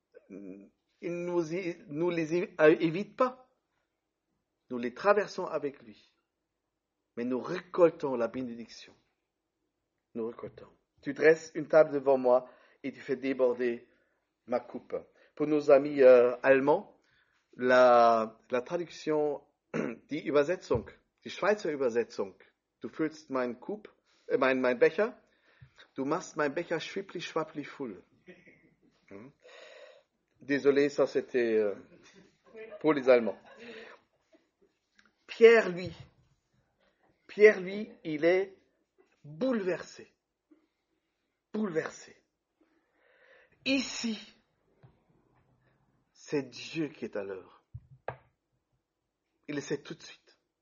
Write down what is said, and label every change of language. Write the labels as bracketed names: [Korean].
[French] Il nous les évite pas. Nous les traversons avec lui, mais nous récoltons la bénédiction. Nous récoltons. Tu dresses une table devant moi et tu fais déborder ma coupe. Pour nos amis allemands, la traduction, [German] die Übersetzung, die Schweizer Übersetzung, du füllst meine Coupe, mein Becher, du machst mein Becher schwipply schwapply full. [French] Désolé, ça c'était pour les Allemands. Pierre, lui, il est bouleversé. Bouleversé. Ici, c'est Dieu qui est à l'œuvre. Il le sait tout de suite.